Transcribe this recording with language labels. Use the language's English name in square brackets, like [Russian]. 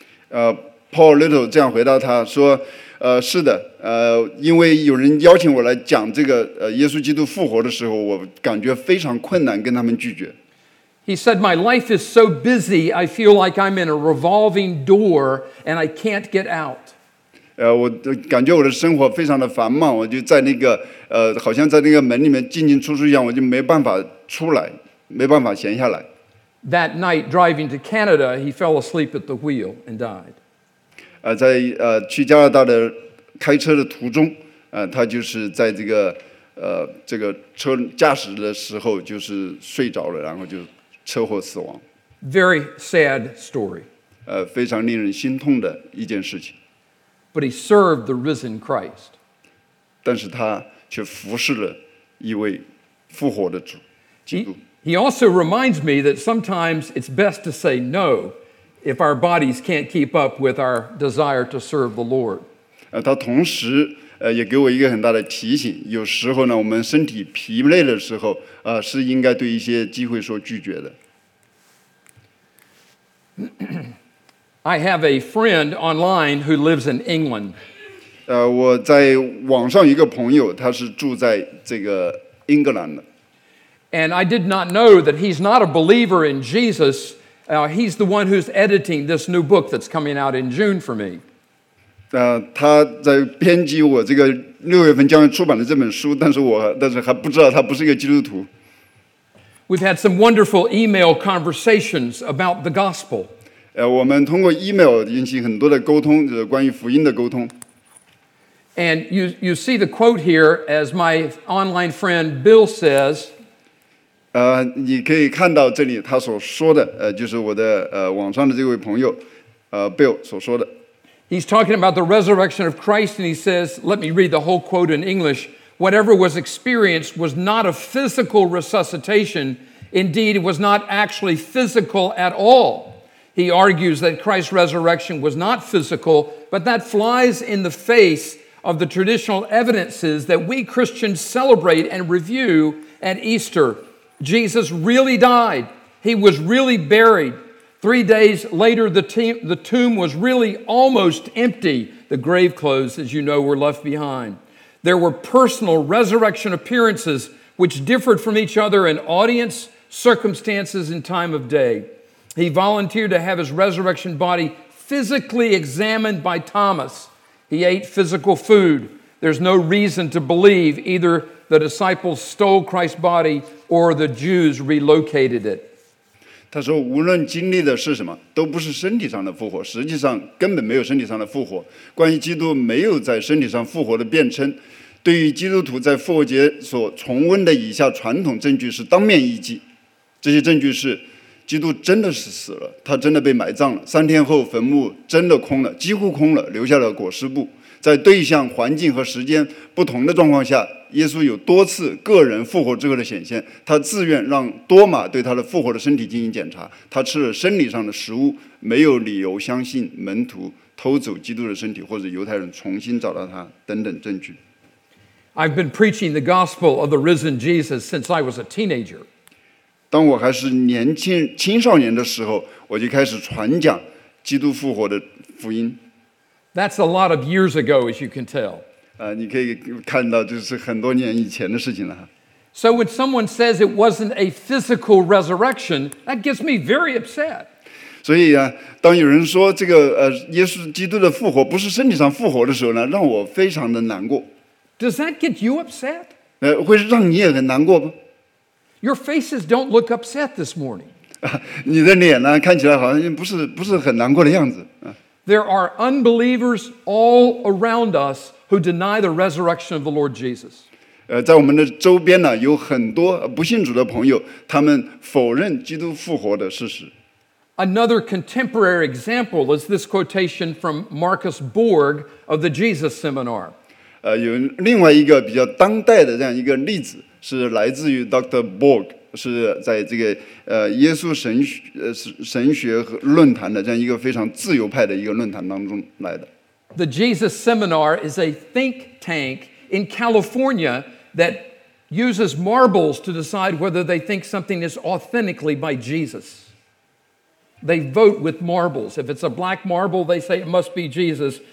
[Chinese] Paul Little 这样回答他说，是的，因为有人邀请我来讲这个耶稣基督复活的时候，我感觉非常困难跟他们拒绝。 [English] He said, "My life is so busy, I feel like I'm in a revolving door and I can't get out." [Chinese] 我感觉我的生活非常的繁忙，我就在那个好像在那个门里面进进出出一样，我就没办法出来，没办法闲下来。 [English] That night, driving to Canada, he fell asleep at the wheel and died. [Chinese] 在去加拿大的开车的途中，他就是在这个这个车驾驶的时候就是睡着了，然后就车祸死亡。 [English] Very sad story. [Chinese] 非常令人心痛的一件事情。 [English] But he served the risen Christ. [Chinese] 但是他却服侍了一位复活的主基督。 [English] He also reminds me that sometimes it's best to say no. if our bodies can't keep up with our desire to serve the Lord. [Chinese] 他同时也给我一个很大的提醒，有时候呢，我们身体疲累的时候，是应该对一些机会说拒绝的。 [English] I have a friend online who lives in England. [Chinese] 我在网上一个朋友，他是住在这个英格兰的。 [English] And I did not know that he's not a believer in Jesus. He's the one who's editing this new book that's coming out in June for me. [Chinese] 他在编辑我这个六月份将要出版的这本书，但是还不知道他不是一个基督徒。 [English] We've had some wonderful email conversations about the gospel. [Chinese] 我们通过 email 进行很多的沟通，就是关于福音的沟通。 [English] And you see the quote here, as my online friend Bill says. [Chinese] 你可以看到这里他所说的，就是我的网上的这位朋友，Bill 所说的。 [English] He's talking about the resurrection of Christ, and he says, "Let me read the whole quote in English." Whatever was experienced was not a physical resuscitation. Indeed, it was not actually physical at all. He argues that Christ's resurrection was not physical, but that flies in the face of the traditional evidences that we Christians celebrate and review at Easter. Jesus really died. He was really buried. 3 days later, the tomb was really almost empty. The grave clothes, as you know, were left behind. There were personal resurrection appearances which differed from each other in audience, circumstances, and time of day. He volunteered to have his resurrection body physically examined by Thomas. He ate physical food. There's no reason to believe either the disciples stole Christ's body or the Jews relocated it. [Chinese] 他说无论经历的是什么都不是身体上的复活，实际上根本没有身体上的复活，关于基督没有在身体上复活的辩称，对于基督徒在复活节所重温的以下传统证据是当面一击。这些证据是基督真的是死了，他真的被埋葬了，三天后坟墓真的空了，几乎空了，留下了裹尸布，在对象环境和时间不同的状况下，耶稣有多次个人复活之后的显现，他自愿让多马对他的复活的身体进行检查，他吃了生理上的食物，没有理由相信门徒偷走基督的身体或者犹太人重新找到他等等证据。 [English] I've been preaching the gospel of the risen Jesus since I was a teenager. [Chinese] 当我还是年轻青少年的时候，我就开始传讲基督复活的福音。 [English] That's a lot of years ago, as you can tell. [Chinese] 你可以看到这是很多年以前的事情了。 [English] So when someone says it wasn't a physical resurrection, that gets me very upset. [Chinese] 所以啊，当有人说这个耶稣基督的复活不是身体上复活的时候呢，让我非常的难过。 [English] Does that get you upset? [Chinese] 会让你也很难过吗？ [English] Your faces don't look upset this morning. [Chinese] 你的脸呢，看起来好像不是很难过的样子。 [English] There are unbelievers all around us. Who deny the resurrection of the Lord Jesus? [Chinese] 在我们的周边呢，有很多不信主的朋友，他们否认基督复活的事实。 [English] Another contemporary example is this quotation from Marcus Borg of the Jesus Seminar. [Chinese] 有另外一个比较当代的这样一个例子，是来自于 Dr. Borg， 是在这个耶稣神学论坛的这样一个非常自由派的一个论坛当中来的。 [English] The Jesus Seminar is a think tank in California that uses marbles to decide whether they think something is authentically by Jesus. They vote with marbles. If it's a black marble, they say it must be Jesus.